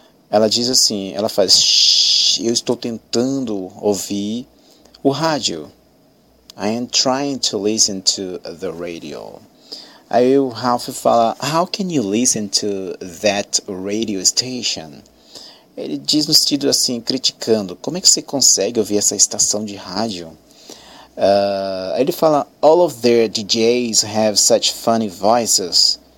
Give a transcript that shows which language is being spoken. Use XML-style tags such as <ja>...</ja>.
<pt>Ela diz assim, ela faz shh, eu estou tentando ouvir o rádio.</pt> <en>I am trying to listen to the radio.</en> <pt>Aí o Ralph fala,</pt> <en>how can you listen to that radio station?</en> <pt>Ele diz no sentido assim, criticando, como é que você consegue ouvir essa estação de rádio? Ele fala,</pt> <en>all of their DJs have such funny voices.</en>